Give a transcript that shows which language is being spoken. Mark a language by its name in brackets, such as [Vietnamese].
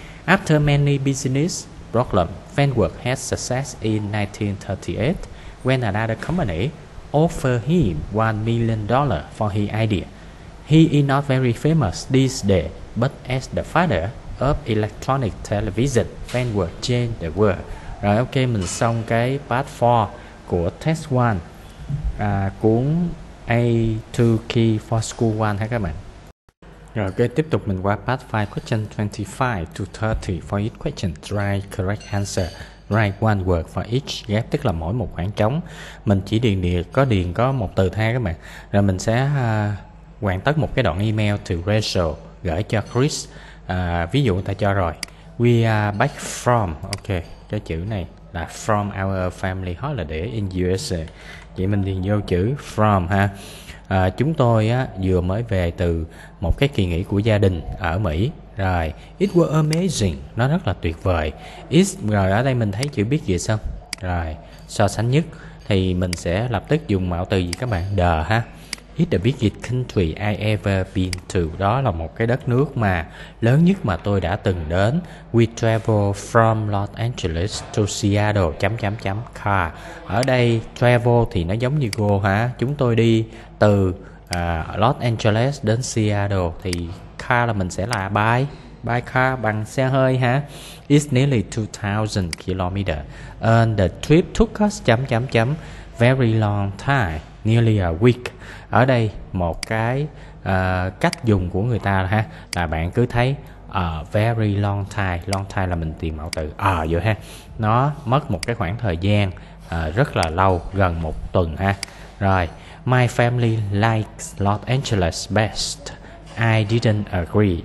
[English] After many business problems, Fanworth had success in 1938 when another company offered him $1 million for his idea. He is not very famous these days, but as the father of electronic television, fan world change the world. [Vietnamese] Rồi ok, mình xong cái part 4 của test 1, cuốn A2 Key for School 1 ha các bạn. Rồi ok, tiếp tục mình qua part 5, [English] question 25 to 30. For each question, try correct answer. Write one word for each gap, [Vietnamese] tức là mỗi một khoảng trống mình chỉ điền có một từ thôi các bạn. Rồi mình sẽ hoàn tất một cái đoạn email từ Rachel gửi cho Chris. Ví dụ người ta cho rồi, [English] we are back from, [Vietnamese] ok, cái chữ này là [English] from our family holiday in USA. [Vietnamese] Vậy mình điền vô chữ from ha. Chúng tôi vừa mới về từ một cái kỳ nghỉ của gia đình ở Mỹ. Rồi, [English] it was amazing, [Vietnamese] nó rất là tuyệt vời. It, rồi ở đây mình thấy chữ biết gì xong. Rồi, so sánh nhất thì mình sẽ lập tức dùng mạo từ gì các bạn, the ha. [English] It's the biggest country I ever been to. [Vietnamese] Đó là một cái đất nước mà lớn nhất mà tôi đã từng đến. [English] We travel from Los Angeles to Seattle [Vietnamese] chấm chấm chấm [English] car. [Vietnamese] Ở đây travel thì nó giống như go hả? Chúng tôi đi từ Los Angeles đến Seattle thì car là mình sẽ là by by car bằng xe hơi hả? [English] It's nearly 2,000 km and the trip took us [Vietnamese] chấm chấm chấm [English] very long time, nearly a week. [Vietnamese] Ở đây một cái cách dùng của người ta ha là bạn cứ thấy very long time, long time là mình tìm mạo từ vậy ha, nó mất một cái khoảng thời gian rất là lâu, gần một tuần ha. [English] Rồi, my family likes Los Angeles best, I didn't agree.